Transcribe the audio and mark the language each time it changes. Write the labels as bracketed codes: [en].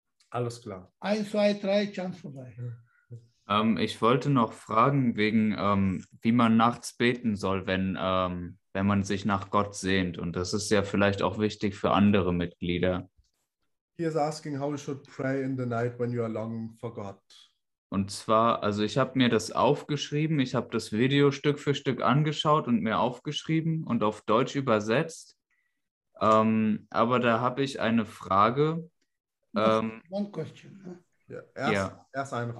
[de] Alles klar. 1, 2, 3, Chance vorbei. Ich wollte noch fragen, wegen wie man nachts beten soll, wenn man sich nach Gott sehnt. Und das ist ja vielleicht auch wichtig für andere Mitglieder. [en] He is asking how you should pray in the night when you are longing for God. [de] Und zwar, also ich habe mir das aufgeschrieben, ich habe das Video Stück für Stück angeschaut und mir aufgeschrieben und auf Deutsch übersetzt. Aber da habe ich eine Frage. [en] One question. Ne? [de] Erst eine Frage.